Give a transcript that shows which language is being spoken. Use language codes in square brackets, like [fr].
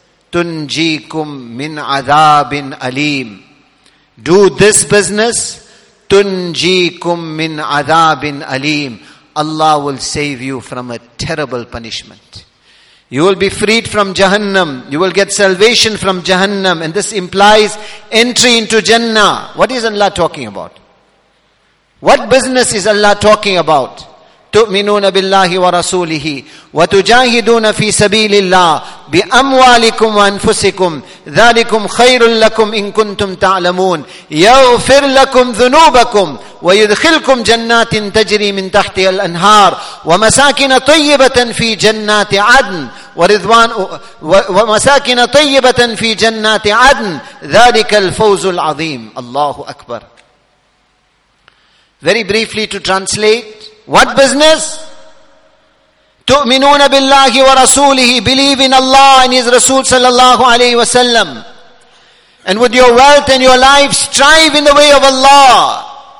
[ar] تُنْجِيكُمْ مِنْ عَذَابٍ أَلِيمٍ [en] Do this business, تُنْجِيكُمْ مِنْ عَذَابٍ أَلِيمٍ Allah will save you from a terrible punishment. You will be freed from Jahannam. You will get salvation from Jahannam. And this implies entry into Jannah. What is Allah talking about? What business is Allah talking about? [ar] تؤمنون بالله ورسوله وتجاهدون في سبيل الله بأموالكم وأنفسكم ذلكم خير لكم إن كنتم تعلمون يغفر لكم ذنوبكم ويدخلكم جنات تجري من تحتها الأنهار ومساكن طيبة في جنات عدن ورضوان ومساكن طيبة في جنات عدن ذلك الفوز العظيم. الله أكبر. [en] Very briefly to translate, what business? [ar] تؤمنون بالله ورسوله, [en] believe in Allah and His Rasul sallallahu alayhi wa sallam. And with your wealth and your life, strive in the way of Allah.